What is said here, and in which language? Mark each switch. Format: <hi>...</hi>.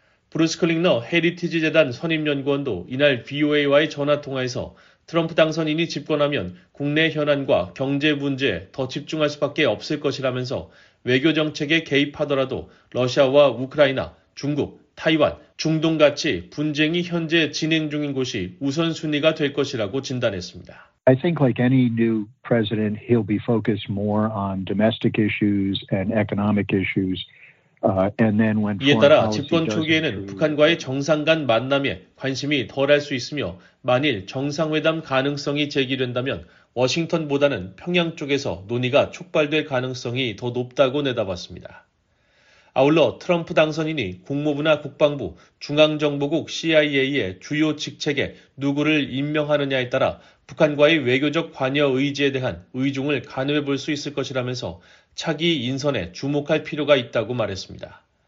<ko>브루스 클링너 헤리티지 재단 선임연구원도 이날 VOA와의 전화통화에서 트럼프 당선인이 집권하면 국내 현안과 경제 문제에 더 집중할 수밖에 없을 것이라면서 외교 정책에 개입하더라도 러시아와 우크라이나, 중국, 타이완, 중동같이 분쟁이 현재 진행 중인 곳이 우선순위가 될 것이라고 진단했습니다.</ko> <en>I think like any new president, he'll be focused more on domestic issues and economic issues. And then when</en> <ko>이에 따라 집권 초기에는 북한과의 정상 간 만남에 관심이 덜할 수 있으며 만일 정상회담 가능성이 제기된다면 워싱턴보다는 평양 쪽에서 논의가 촉발될 가능성이 더 높다고 내다봤습니다. 아울러 트럼프 당선인이 국무부나 국방부, 중앙정보국 CIA의 주요 직책에 누구를 임명하느냐에 따라 북한과의 외교적 관여 의지에 대한 의중을 가늠해 볼 수 있을 것이라면서 차기 인선에 주목할 필요가 있다고 말했습니다.</ko>